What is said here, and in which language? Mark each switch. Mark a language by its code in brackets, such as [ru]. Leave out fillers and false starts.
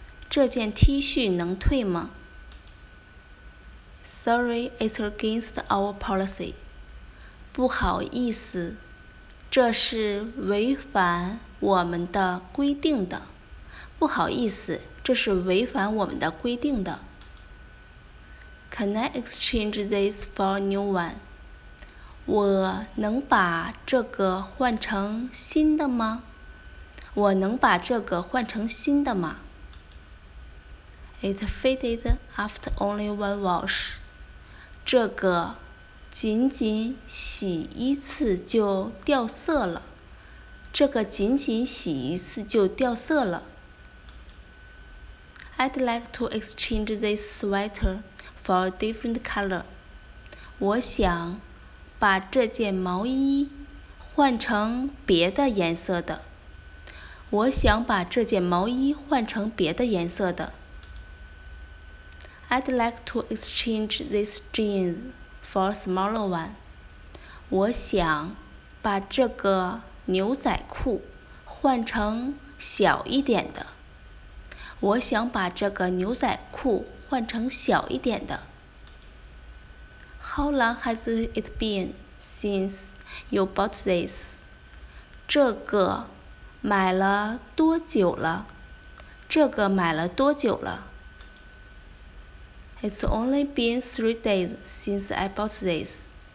[zh] 这件 T 恤能退吗？ [en] Sorry, it's against our policy. [zh] 不好意思，这是违反我们的规定的。不好意思，这是违反我们的规定的。 [en] Can I exchange this for a new one? [zh] 我能把这个换成新的吗？我能把这个换成新的吗？ [en] It faded after only one wash. [zh] 这个仅仅洗一次就掉色了。这个仅仅洗一次就掉色了。 [en] I'd like to exchange this sweater for a different color. [zh] 我想把这件毛衣换成别的颜色的。我想把这件毛衣换成别的颜色的。 [en] I'd like to exchange this jeans for a smaller one. [zh] 我想把这个牛仔裤换成小一点的。我想把这个牛仔裤换成小一点的。 [en] How long has it been since you bought this? [zh] 这个买了多久了？这个买了多久了？ [en] It's only been 3 days since I bought this.